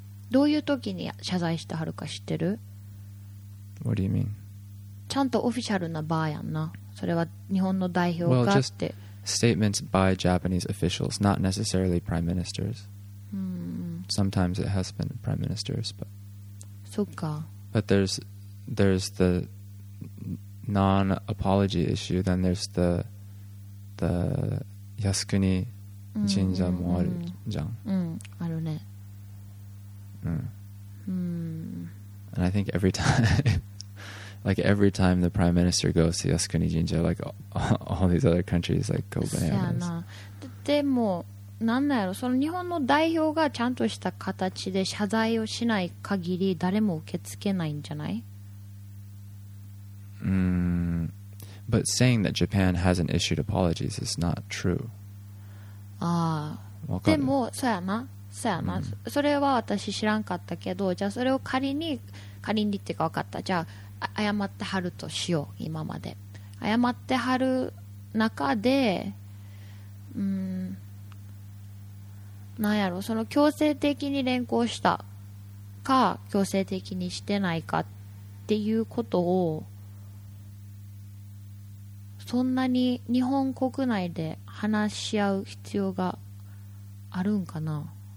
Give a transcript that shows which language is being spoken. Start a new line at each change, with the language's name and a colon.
Japanese: どういう時に謝罪してはるか知ってる?
English: What do you mean?
Japanese: ちゃんとオフィシャルな場やんな。それは日本の代表がって。
English: Well, just statements by Japanese officials, not necessarily prime ministers. Sometimes it has been prime ministers, but...
Japanese: そっか。
English: But there's the non-apology issue, then there's the Yasukuni Jinja
Japanese: もあるじゃん。うん、あるね。
English: And I think every time like every time the prime minister goes to Yasukuni Jinja like all these other countries like go bananas.
Japanese: そうやな。でも、なんだろう、その日本の代表がちゃんとした形で謝罪をしない限り誰も受け付けないんじゃない?
English: But saying that Japan hasn't issued apologies is not true.
Japanese: ああ。でも、そうやな。そうやな、それは私知らんかったけど、じゃあそれを仮にっていうか分かった。じゃあ謝ってはるとしよう。今まで謝ってはる中で、なんやろ、その強制的に連行したか強制的にしてないかっていうことをそんなに日本国内で話し合う必要があるんかな。